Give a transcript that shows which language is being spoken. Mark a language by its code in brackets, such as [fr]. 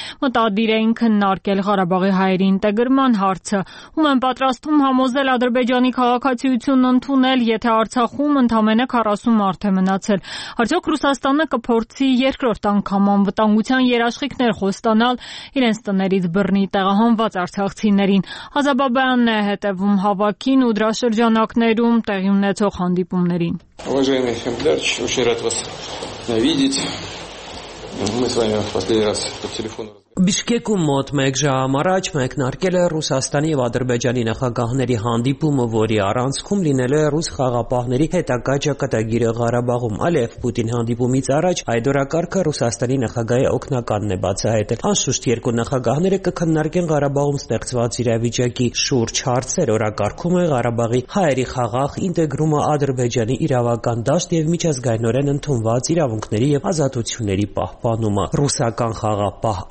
[hy] մտադիր էին քննարկել Ղարաբաղի հայերի ինտեգրման հարցը։ Ում են պատրաստում համոզել Ադրբեջանի քաղաքացիությունն ընդունել, եթե Արցախում ընդամենը 40 մարդ է մնացել։ Արդյոք Ռուսաստանը կփորձի երկրորդ անգամ անվտանգության երաշխիքներ խոստանալ իրենց տներից բռնի տեղահանված արցախցիներին։ Ազաբաբյանն է հետևում հավաքին ու դրա շրջանակներում տեղի ունեցող հանդիպումների։ [ru] Уважаемый Хамдарч, очень рад вас видеть. Мы с вами в последний раз по телефону. [hy] Բիշկեկում մոտ 1 ժամ առաջ մեկնարկել է Ռուսաստանի և Ադրբեջանի նախագահների հանդիպումը, որի առանցքում լինել է ռուս խաղապահների հետագա ճակատագիրը Ղարաբաղում։ Ալիև Պուտին հանդիպումից առաջ այդ օրակարգը Ռուսաստանի նախագահի օգնականն է բացահայտել։ Անշուշտ երկու նախագահները կքննարկեն Ղարաբաղում ստեղծված իրավիճակի շուրջ հարցեր։ Օրակարգում է Ղարաբաղի հայերի խաղաղ ինտեգրումը Ադրբեջանի իրավական դաշտ և միջազգայնորեն ընդունված իրավունքների և ազատությունների պահպանումը։ Ռուսական խաղապահ